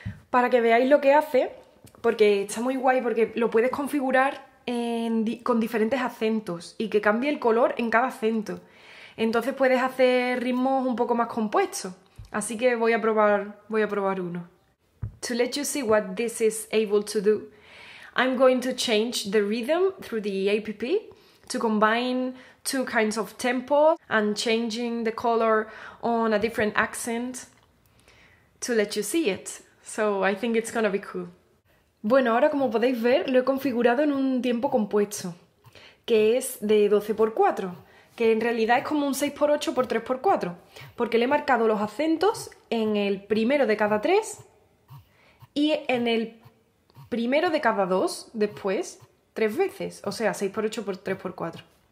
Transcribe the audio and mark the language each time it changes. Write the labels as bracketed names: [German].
[Spanish] Para que veáis lo que hace, porque está muy guay, porque lo puedes configurar con diferentes acentos y que cambie el color en cada acento. Entonces puedes hacer ritmos un poco más compuestos. Así que voy a probar uno. [English] To let you see what this is able to do, I'm going to change the rhythm through the APP to combine two kinds of tempo and changing the color on a different accent to let you see it. So I think it's gonna be cool. [Spanish] Bueno, ahora como podéis ver, lo he configurado en un tiempo compuesto, que es de 12x4, que en realidad es como un 6x8 por 3x4, porque le he marcado los acentos en el primero de cada 3 y en el primero de cada 2 después 3 veces, o sea, 6x8 por 3x4.